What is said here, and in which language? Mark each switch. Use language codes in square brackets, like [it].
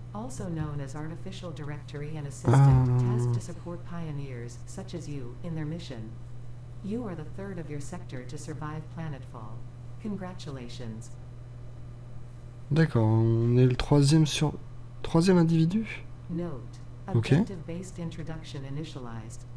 [en] Also known as artificial directory and assistant tasked to support pioneers such as you in their mission. You are the third of your sector to survive planetfall. Congratulations. [fr] D'accord, on est le troisième sur... Troisième individu? [en] Note, objective-based introduction initialized.